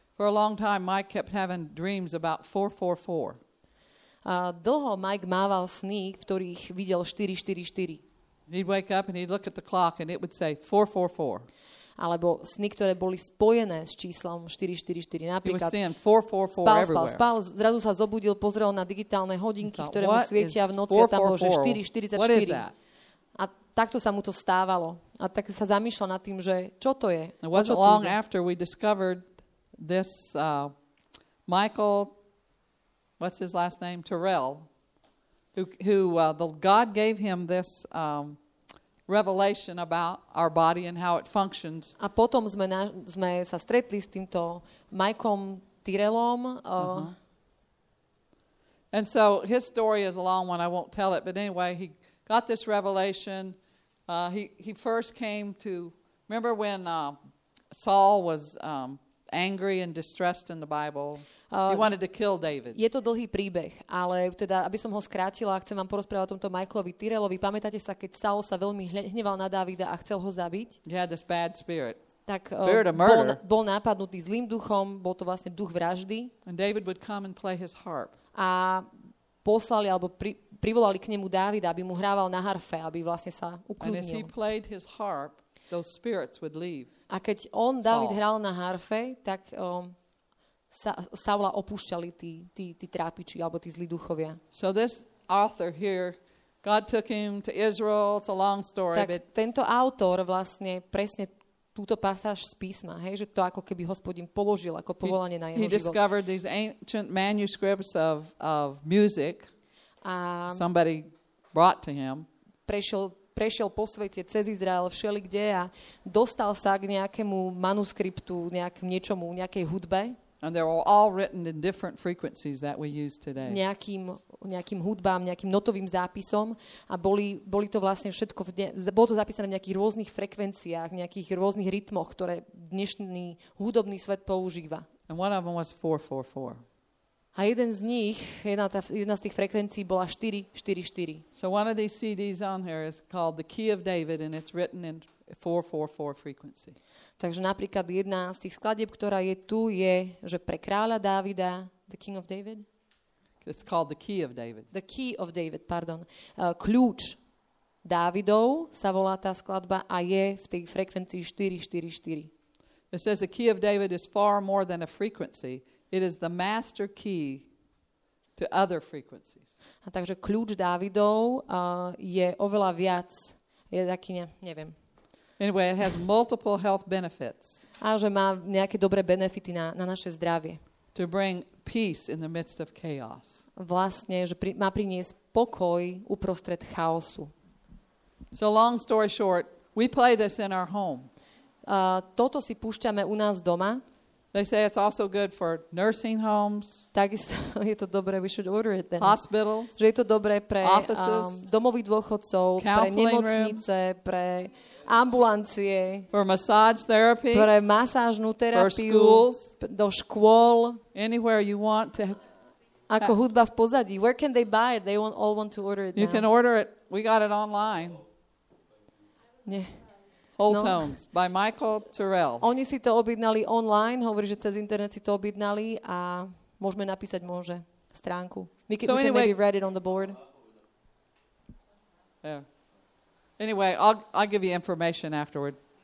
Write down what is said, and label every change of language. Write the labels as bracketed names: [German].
[English] For a long time Mike kept having dreams about 444. [Slovak] Dlho Mike mával sny, v ktorých videl 444. [English] He'd wake up and he'd look at the clock and it would say 444. [Slovak] Alebo sny, ktoré boli spojené s číslom 444. Napríklad 444 spal, zrazu sa zobudil, pozrel na digitálne hodinky, ktoré mu svietia v noci a tam bol, že 444. A takto sa mu to stávalo. A tak sa zamýšľa nad tým, že čo to je? [English] It wasn't long after we discovered this Michael, what's his last name? Terrell, the God gave him this revelation about our body and how it functions. [Slovak] A potom sme sa stretli s týmto Mikeom Tyrellom. [English] And so his story is a long one, I won't tell it, but anyway, he got this revelation. He first came to, remember when Saul was angry and distressed in the Bible? He wanted to kill David. [Slovak] Je to dlhý príbeh, ale teda, aby som ho skrátila, chcem vám porozprávať o tomto Michaelovi Tyrellovi. Pamätáte sa, keď Saul sa veľmi hneval na Dávida a chcel ho zabiť? [English] He had this bad spirit. [Slovak] Tak bol napadnutý zlým duchom, bol to vlastne duch vraždy. [English] And David would come and play his harp. [Slovak] A poslali alebo privolali k nemu Dávida, aby mu hrával na harfe, aby vlastne sa ukludnil. [English] And as he played his harp, those spirits would leave. [Slovak] A keď on, David, hral na harfe, tak Saula opúšťali tí trápiči alebo tí zlí duchovia. [English] So this author here, God took him to Israel. It's a long story. [Slovak] Tak tento autor vlastne presne túto pasáž z písma, hej, že to ako keby Hospodin položil ako povolanie na jeho život. [English] He discovered these ancient manuscripts of music. [Slovak] A [English] somebody brought to him. [Slovak] Prešiel po svete cez Izrael, všelikde a dostal sa k nejakému manuskriptu, nejakej hudbe. [English] And they're all written in different frequencies that we use today. [Slovak] Nejakým hudbám, nejakým notovým zápisom a boli to vlastne všetko bolo to zapísané v nejakých rôznych frekvenciách, nejakých rôznych rytmoch, ktoré dnešný hudobný svet používa. [English] And one of them was 444. [Slovak] A jeden z nich, jedna z tých frekvencií bola 444. [English] So one of these CDs on here is called The Key of David and it's written in 444 frequency. [Slovak] Takže napríklad jedna z tých skladieb, ktorá je tu, je, že pre kráľa Dávida, [English] The King of David? It's called the key of David. The key of David, pardon. [Slovak] Kľúč Dávidov sa volá tá skladba a je v tej frekvencii 444. [English] It says the key of David is far more than a frequency. It is the master key to other frequencies. [Slovak] A takže kľúč Dávidov je oveľa viac, je taký, neviem. [English] Anyway, it has multiple health benefits. [Slovak] A že má nejaké dobré benefity na naše zdravie. [English] To bring peace in the midst of chaos. [Slovak] Vlastne, že má priniesť pokoj uprostred chaosu. [English] So long story short, we play this in our home. [Slovak] Toto si púšťame u nás doma. [English] They say it's also good for nursing homes. [Slovak] Takisto je to dobré, [English] we should order it then. Hospitals. [Slovak] Že je to dobré pre domových dôchodcov, pre nemocnice, pre ambulancie. [English] For massage therapy. [Slovak] Pre masážnu terapiu. [English] For schools. [Slovak] Do škôl. [English] Anywhere you want to. [Slovak] Ako hudba v pozadí. [English] Where can they buy it? They all want to order it you now. You can order it. We got it online. [Slovak] Nie. [English] Whole no. Tones by Michael Terrell. [Slovak] Oni si to objednali online, hovorí, že cez internet si to objednali a môžeme napísať môže stránku. [English] We can anyway, maybe write it on the board. Yeah. Anyway, I'll give you information afterward.